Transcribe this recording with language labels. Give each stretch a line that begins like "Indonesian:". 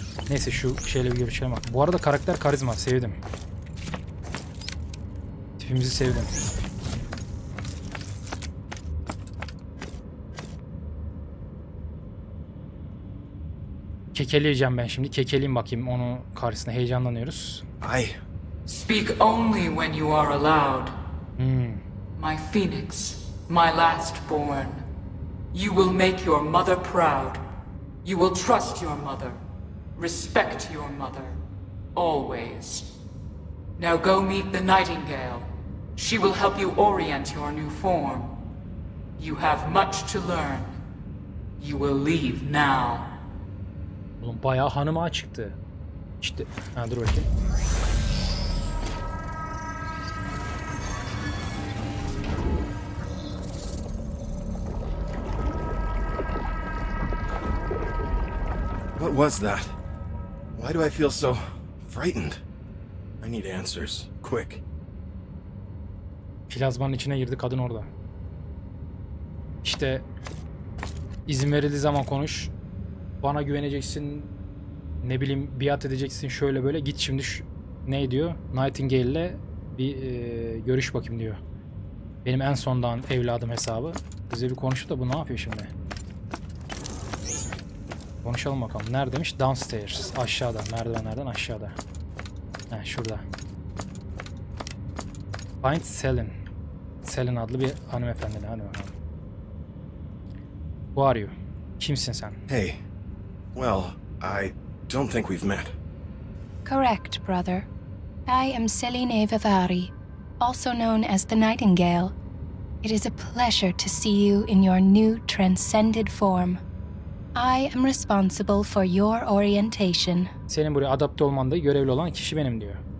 Turkish: Neyse, şu şeyle bir görüşelim. Bu arada karakter karizma. Sevdim. Tipimizi sevdim. Kekeleyeceğim ben şimdi. Kekeleyeyim bakayım onun karşısında. Heyecanlanıyoruz. Ay.
English: Speak only when you are allowed. My phoenix, my last born. You will make your mother proud. You will trust your mother. Respect your mother. Always. Now go meet the nightingale. She will help you orient your new form. You have much to learn. You will leave now.
Turkish: Oğlum bayağı hanıma çıktı. İşte, ha, dur bakayım.
English: What was that? Why do I feel so frightened? I need answers, quick.
Turkish: Plazmanın içine girdi kadın orada. İşte izin verildiği zaman konuş. Bana güveneceksin. Ne bileyim, biat edeceksin, şöyle böyle. Git şimdi şu, ne diyor? Nightingale'le bir görüş bakayım diyor. Benim en sondan evladım hesabı. Bize bir konuştu da bu ne yapıyor şimdi? Konuşalım bakalım. Neredeymiş? Downstairs. Aşağıda. Merdivenlerden aşağıda. Heh, şurada.
English: Find Selin.
Turkish: Selin adlı bir hanımefendi. Hanımefendi.
English: Who are you?
Turkish: Kimsin sen?
English: Hey. Well, I don't think we've met. Correct, brother. I am Selene Vivari, also known as the Nightingale. It is a pleasure to see you in your new transcended form. I am responsible for your orientation.
Turkish: Senin buraya adapte olmanda görevli olan kişi benim diyor.